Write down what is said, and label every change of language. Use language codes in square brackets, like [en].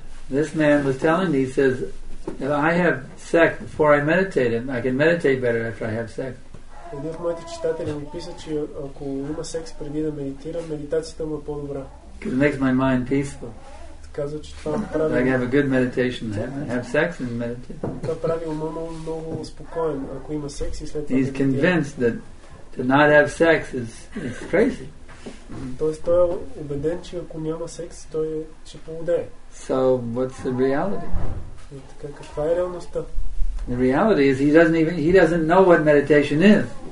[en] This man was telling me, he says, if I have sex before I meditate, I can meditate better after I have sex. [bg] Един от моите читатели ми писа, че ако има секс преди да медитира, медитацията му е по-добра. [en] It makes my mind peaceful. [bg] Казва, че това прави. [en] I have a good meditation. Have sex and meditate. [bg] Това прави ума много спокоен, ако има секс и след това. [en] He's convinced that to not have sex is crazy. [bg] Тоест той е убеден, че ако няма секс, той ще полудее. [en] So what's the reality? [bg] Така, каква е реалността? [en] The reality is he doesn't know what meditation is.